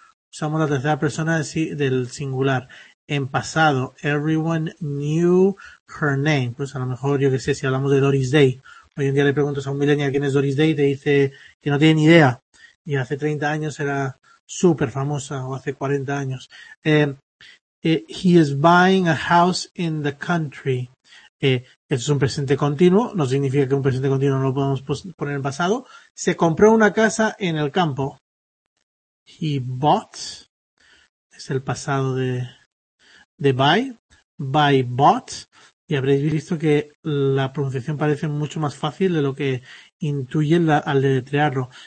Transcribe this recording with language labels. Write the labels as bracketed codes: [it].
[es] Usamos la tercera persona del singular. En pasado, [en] everyone knew her name. [es] Pues a lo mejor, yo qué sé, si hablamos de Doris Day. Hoy en día le preguntas a un millennial quién es Doris Day y te dice que no tiene ni idea. Y hace 30 años era súper famosa, o hace 40 años. [en] He is buying a house in the country. [es] Eso es un presente continuo. No significa que un presente continuo no lo podemos poner en pasado. Se compró una casa en el campo. [en] He bought. [es] Es el pasado de buy. [en] Buy, bought. [es] Y habréis visto que la pronunciación parece mucho más fácil de lo que intuye al deletrearlo.